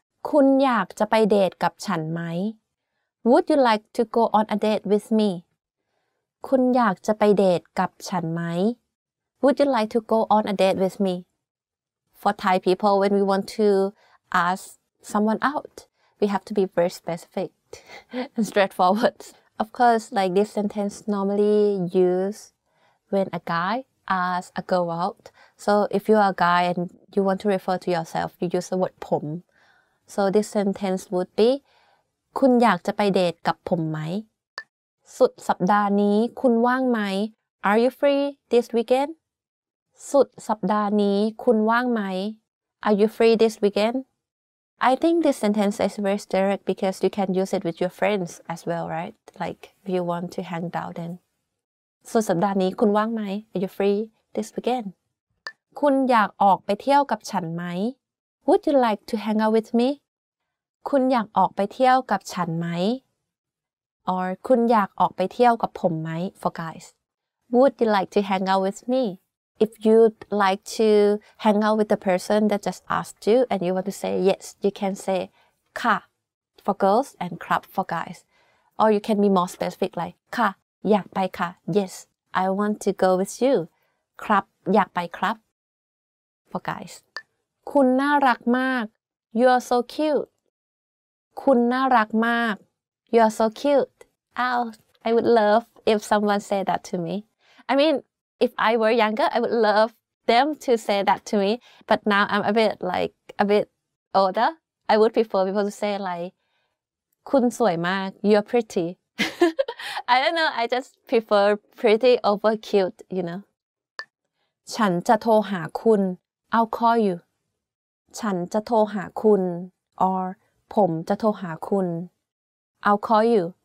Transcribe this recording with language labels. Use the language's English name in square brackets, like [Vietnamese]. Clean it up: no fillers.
[Thai] คุณอยากจะไปเดทกับฉันไหม? [English] Would you like to go on a date with me? [Thai] คุณอยากจะไปเดทกับฉันไหม? [English] Would you like to go on a date with me? For Thai people, when we want to ask someone out, we have to be very specific and straightforward. Of course, like this sentence normally used when a guy asks a girl out. So if you are a guy and you want to refer to yourself, you use the word ผม. So this sentence would be [Thai] คุณอยากจะไปเดทกับผมไหม? สุดสัปดาห์นี้คุณว่างไหม? [English] Are you free this weekend? [Thai] สุดสัปดาห์นี้คุณว่างไหม? [English] Are you free this weekend? I think this sentence is very direct because you can use it with your friends as well, right? Like if you want to hang out then. [Thai] สุดสัปดาห์นี้คุณว่างไหม? [English] Are you free this weekend? [Thai] คุณอยากออกไปเที่ยวกับฉันไหม? [English] Would you like to hang out with me? [Thai] คุณอยากออกไปเที่ยวกับฉันไหม?Or คุณอยากออกไปเที่ยวกับผมไหม? [English] For guys. Would you like to hang out with me? If you'd like to hang out with the person that just asked you and you want to say yes, you can say ค่ะ for girls and ครับ for guys. Or you can be more specific like [Thai] ค่ะ อยากไปค่ะ [English] Yes, I want to go with you. [Thai] ครับ อยากไปครับ [English] For guys. [Thai] คุณน่ารักมาก [English] You are so cute. [Thai] คุณน่ารักมาก You are so cute. [English] Oh, I would love if someone said that to me. I mean, if I were younger, I would love them to say that to me. But now I'm a bit older. I would prefer people to say like, [Thai] คุณสวยมาก [English] You are pretty. I don't know. I just prefer pretty over cute, you know. [Thai] ฉันจะโทรหาคุณ [English] I'll call you. [Thai] ฉันจะโทรหาคุณ or ผมจะโทรหาคุณ [English] I'll call you